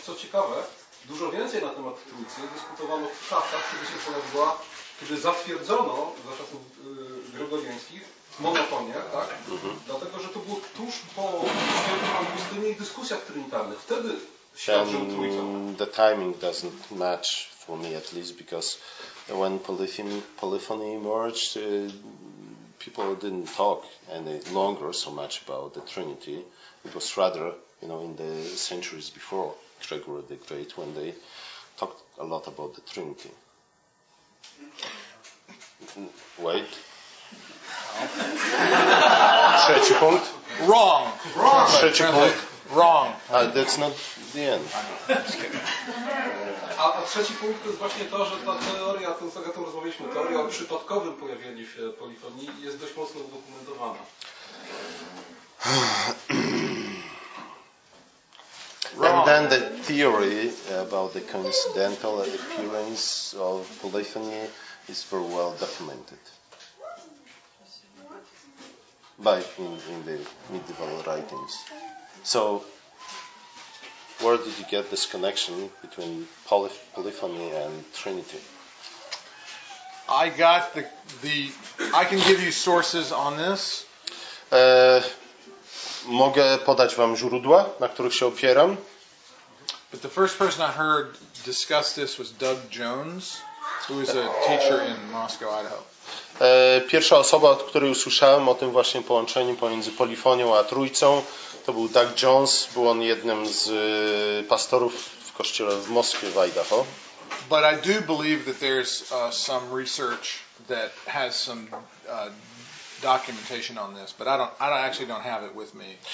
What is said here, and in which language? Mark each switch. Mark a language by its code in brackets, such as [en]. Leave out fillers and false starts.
[pl] Co ciekawe, dużo więcej na temat Trójcy dyskutowano w czasach, kiedy się pojawiła, kiedy zatwierdzono za czasów gregoriańskich monofonię, tak? Mm-hmm. Dlatego, że to było tuż po Augustynie i dyskusjach trynitarnych. Wtedy świadczył trójcę. [en] The timing doesn't match for me, at least, because when polyphony emerged, people didn't talk any longer so much about the Trinity. It was rather, you know, in the centuries before Gregory the Great, when they talked a lot about the Trinity. Wait. [pl] Trzeci punkt. [en] Wrong. [pl] Trzeci punkt. [en] Wrong. That's not the end. [pl] A trzeci punkt to jest właśnie to, że ta teoria, tą co o tym rozmawialiśmy, teoria o przypadkowym pojawieniu się polifonii jest dość mocno udokumentowana. [en] And then the theory about the coincidental appearance of polyphony is very well documented. By in the medieval writings. So where did you get this connection between polyphony and Trinity? I got the I can give you sources on this. [pl] Mogę podać wam źródła, na których się opieram. [en] But the first person I heard discuss this was Doug Jones, who is a teacher in Moscow, Idaho. [pl] Pierwsza osoba, od której usłyszałem o tym właśnie połączeniu pomiędzy polifonią a trójcą, to był Doug Jones. Był on jednym z pastorów w kościele w Moskwie, w Idaho. [en] But I do believe that there's some research that has some documentation on this, but I actually don't have it with me.